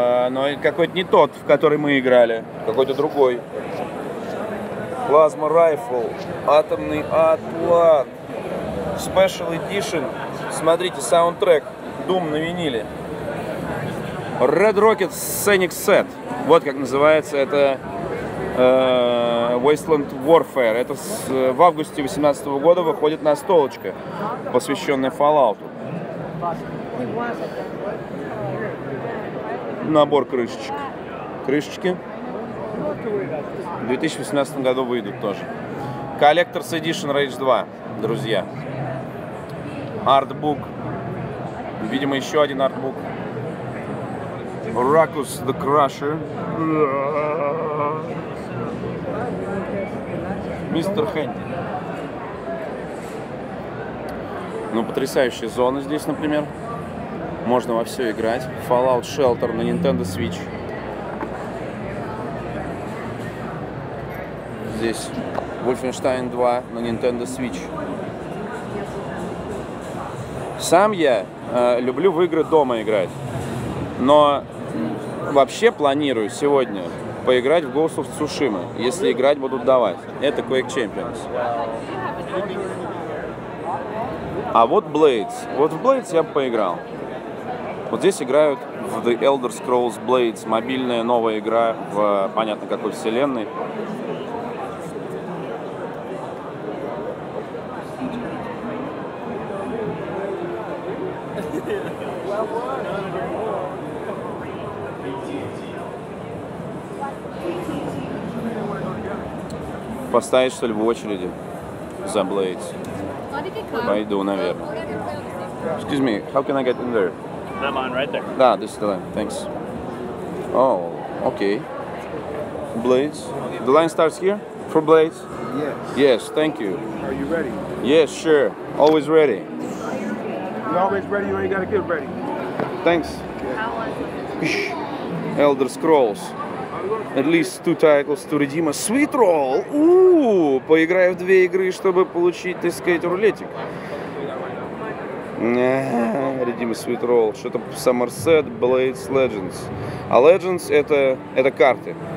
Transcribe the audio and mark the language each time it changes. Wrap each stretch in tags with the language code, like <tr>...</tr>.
<ru>Но какой-то не тот, в который мы играли. Какой-то другой. Plasma Rifle. Атомный атлан. Special Edition. Смотрите, саундтрек. Doom на виниле. Red Rocket Scenic Set. Вот как называется. Это Wasteland Warfare. Это в августе 2018 года выходит на столочка, посвященная Fallout. Набор крышечек. Крышечки. В 2018 году выйдут тоже. Collector's Edition Rage 2, друзья. Артбук. Видимо, еще один артбук. Ruckus the Crusher. Мистер Хэнди. Ну, потрясающая зона здесь, например. Можно во все играть. Fallout Shelter на Nintendo Switch. Здесь Wolfenstein 2 на Nintendo Switch. Сам я люблю в игры дома играть. Но вообще планирую сегодня поиграть в Ghost of Tsushima, если играть будут давать. Это Quake Champions. А вот Blades. Вот в Blades я бы поиграл. Вот здесь играют в The Elder Scrolls Blades. Мобильная новая игра в понятно какой вселенной. Поставить, что ли, в очереди за Blades? Пойду, наверное.</ru> <en>Excuse me, how can I get in there? I'm on right there. Да, this is the line, thanks. Oh, okay. Blades. The line starts here? For Blades? Yes. Yes, thank you. Are you ready? Yes, sure. Always ready. You always ready, you ain't gotta get ready. Thanks. Yeah. Elder Scrolls. At least two titles to redeem a sweet roll.</en> <ru>Поиграю в две игры, чтобы получить, так сказать, рулетик.</ru> <en>Redeem a sweet roll.</en> <ru>Что-то Somerset, Blades, Legends. А Legends это карты.</ru>